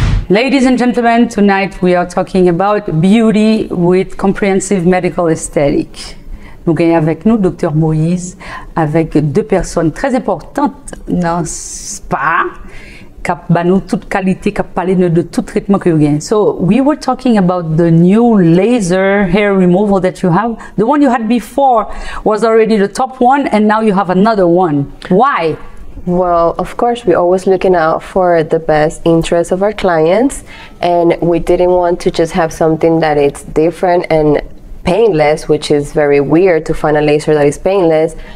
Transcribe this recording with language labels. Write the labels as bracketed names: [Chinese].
[English] Ladies and gentlemen, tonight we are talking about beauty with comprehensive medical aesthetic. [French] Nous avons avec nous Dr. Moise, avec deux personnes très importantes dans spa, qui ont toute qualité, qui ont parlé de tout traitement que vous avez. [English] So, we were talking about the new laser hair removal that you have. The one you had before was already the top one, and now you have another one. Why? Well, of course, we're always looking out for the best interests of our clients, and we didn't want to just have something that it's different and painless, which is very weird to find a laser that is painless.